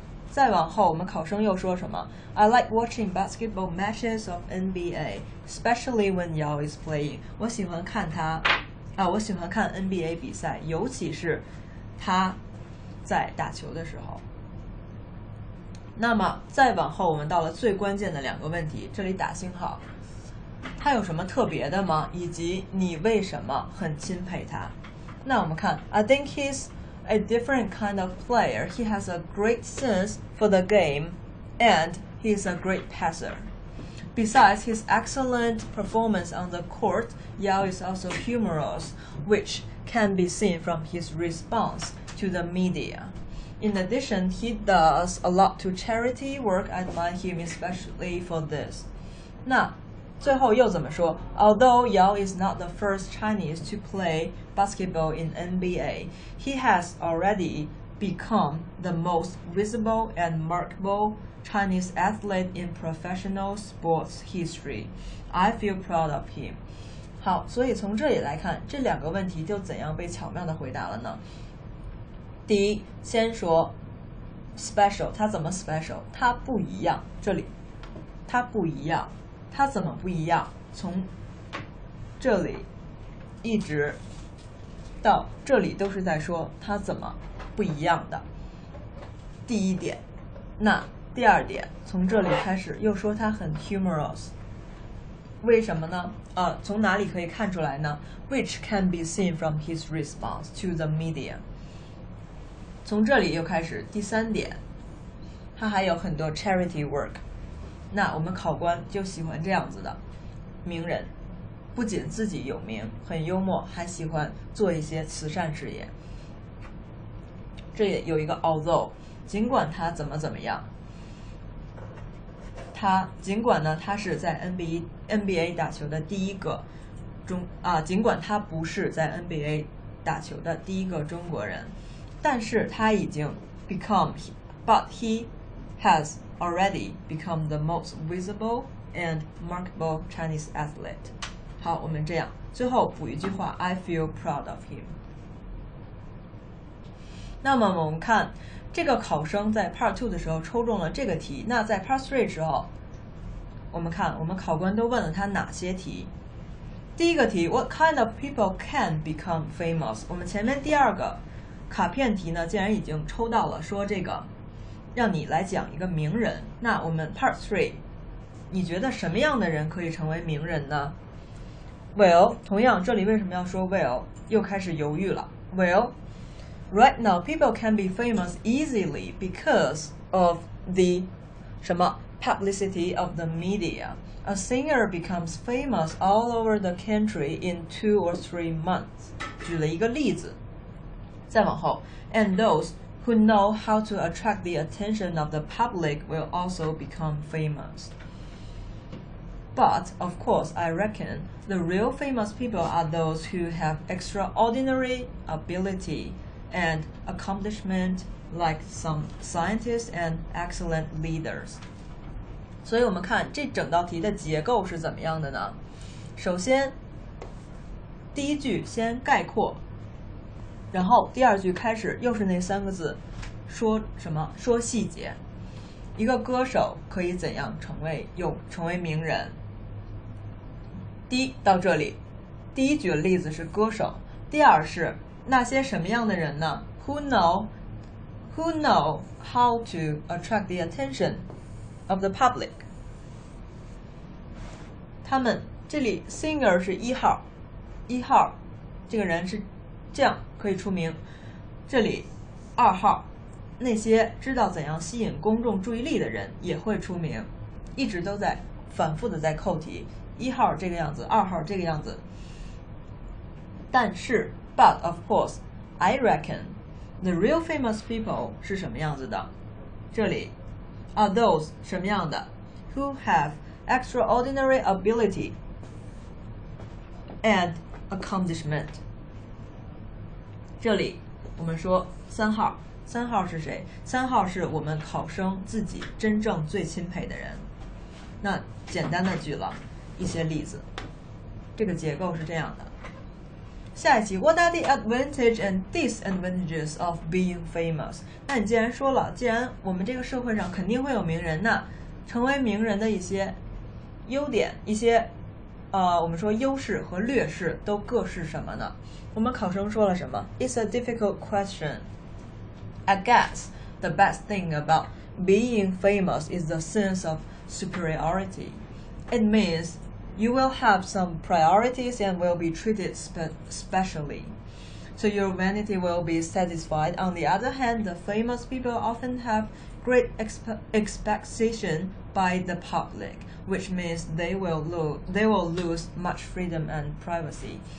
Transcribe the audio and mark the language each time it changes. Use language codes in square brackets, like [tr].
[zh] 再往后我们考生又说什么， [en] I like watching basketball matches of NBA especially when Yao is playing， [zh] 我喜欢看他啊，我喜欢看 NBA 比赛，尤其是他在打球的时候。那么再往后我们到了最关键的两个问题，这里打星号，他有什么特别的吗，以及你为什么很钦佩他。那我们看 [en] I think he's a different kind of player. He has a great sense for the game and he's a great passer. Besides his excellent performance on the court, Yao is also humorous, which can be seen from his response to the media. In addition, he does a lot to charity work. I admire him especially for this. [zh] 那最后又怎么说？ [en] Although Yao is not the first Chinese to play basketball in NBA, he has already become the most visible and markable Chinese athlete in professional sports history. I feel proud of him. [zh] 好，所以从这里来看，这两个问题就怎样被巧妙地回答了呢？第一，先说 special， 他怎么 special？他不一样，这里他不一样，他怎么不一样？从这里一直到这里都是在说他怎么不一样的。第一点，那第二点，从这里开始又说他很 humorous， 为什么呢？从哪里可以看出来呢 [en] ？Which can be seen from his response to the media。 [zh] 从这里又开始第三点，他还有很多 charity work， 那我们考官就喜欢这样子的名人，不仅自己有名很幽默，还喜欢做一些慈善事业。这里有一个 although， 尽管他怎么怎么样，他尽管呢他是在 NBA 打球的第一个中啊，尽管他不是在 NBA 打球的第一个中国人，但是他已经 [en] but he has already become the most visible and markable Chinese athlete。 [zh] 好，我们这样最后补一句话， [en] I feel proud of him。 [zh] 那么我们看这个考生在 part 2的时候抽中了这个题，那在 part 3的时候我们看我们考官都问了他哪些题。第一个题， [en] What kind of people can become famous？ [zh] 我们前面第二个卡片题呢竟然已经抽到了，说这个让你来讲一个名人，那我们 part 3， 你觉得什么样的人可以成为名人呢？ Well， 同样这里为什么要说 well， 又开始犹豫了。 [en] Well， right now people can be famous easily because of the [zh] 什么 [en] publicity of the media。 A singer becomes famous all over the country in 2 or 3 months， [zh] 举了一个例子。再往后， [en] and those who know how to attract the attention of the public will also become famous. But, of course, I reckon the real famous people are those who have extraordinary ability and accomplishment like some scientists and excellent leaders. [zh] 所以我们看这整道题的结构是怎么样的呢？首先，第一句先概括，然后第二句开始又是那三个字，说什么？说细节。一个歌手可以怎样成为成为名人？第一，到这里，第一举的例子是歌手，第二是那些什么样的人呢？ [en] Who know how to attract the attention of the public? [zh] 他们，这里 singer 是一号，一号，这个人是这样可以出名。这里二号，那些知道怎样吸引公众注意力的人也会出名。一直都在反复的在扣题，一号这个样子，二号这个样子。但是 [en] ，but of course, I reckon the real famous people [zh] 是什么样子的？这里 [en] are those [zh] 什么样的 [en] ？Who have extraordinary ability and accomplishment？ [zh] 这里我们说三号，三号是谁？三号是我们考生自己真正最钦佩的人。那简单的举了一些例子，这个结构是这样的。下一期 [en] What are the advantages and disadvantages of being famous? [zh] 那你既然说了，既然我们这个社会上肯定会有名人，那成为名人的一些优点，一些我们说优势和劣势都各是什么呢？我们考生说了什么？ [en] It's a difficult question. I guess the best thing about being famous is the sense of superiority. It means you will have some priorities and will be treated specially. So your vanity will be satisfied. On the other hand, the famous people often have great expectation by the public, which means they will lose much freedom and privacy.